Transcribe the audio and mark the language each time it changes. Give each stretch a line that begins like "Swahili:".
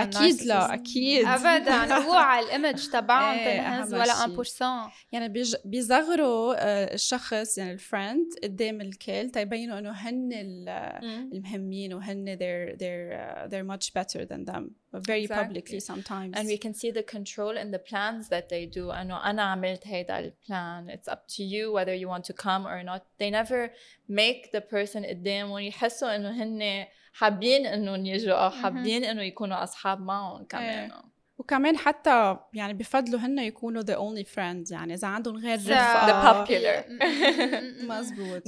Arabic: أكيد لا أكيد أبدا، هو على الإيمج تبعهم تنهز ولا 1%. يعني بيزغروا الشخص، يعني الفريند قدام الكل، تبينوا أنه هن المهمين وهن they're much better than them.
English: Very exactly. publicly sometimes. And we can see the control in the plans that they do. I know أنا عملت هيدا plan. It's up to you whether you want to come or not.
Arabic: They never make the person قدام ويحسوا أنه هن حابين أنه يجوا أو حابين أنه يكونوا أصحاب معهم كمان. وكمان حتى يعني بفضلوا هن يكونوا the only friends، يعني إذا عندهم غير
English: the popular
Arabic: مزبوط